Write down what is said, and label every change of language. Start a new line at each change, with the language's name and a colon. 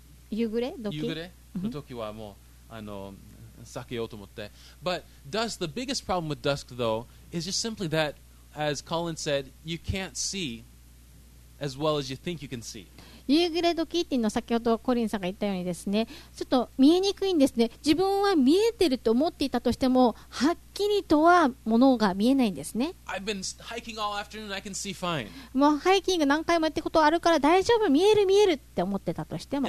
Japanese: 夕暮れの時はもう避けようと思って
English: But dusk, the biggest problem with dusk though is just simply that as Colin said, you can't see as well as you think you can see.
Japanese: 夕暮れ時っていうのは先ほどコリンさんが言ったようにですねちょっと見えにくいんですね。自分は見えてると思っていたとしてもはっきりとはものが見えないんですね。
English: I've been hiking all afternoon, I can see fine.
Japanese: もうハイキング何回もやってことあるから大丈夫見えるって思ってたとしても